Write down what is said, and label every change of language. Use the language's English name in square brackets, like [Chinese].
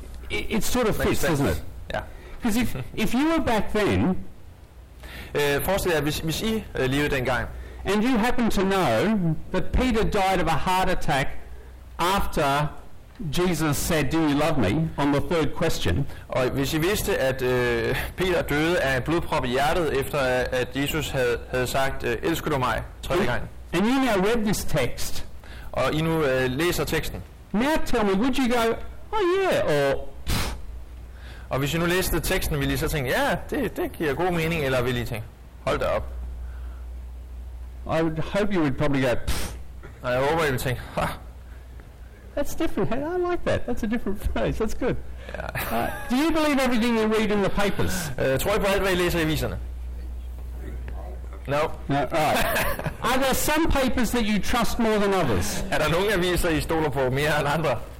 [English] It sort of fits, doesn't it? Yeah. Because if you were back then, [Danish] forestil jer hvis I levede dengang, [English] and you happen to know that Peter died of a heart attack after Jesus said, "Do you love me?" on the third question. [Danish] Og hvis I vidste, at Peter døde af en blodprop i hjertet efter at Jesus havde sagt, "Elsker du mig?" tredje gang. [English] And you now read this text. [Danish] Og I nu læser teksten. [English] Now tell me, would you go, "Oh yeah," or? [Danish] Og hvis I nu læste teksten, ville I så tænke, "Ja, det giver god mening," eller ville I tænke, "Hold da op"? [English] I would hope you would probably go. Pff. [Danish] Og jeg håber, I ville tænke, "Ha." [English] That's different. I like that. That's a different phrase. That's good. Yeah. Do you believe everything you read in the papers? [Danish] Tror I på alt, hvad I læser i aviserne? [English] No. Right. Are there some papers that you trust more than others? [Danish] Er der nogle aviser, I stoler på mere end andre?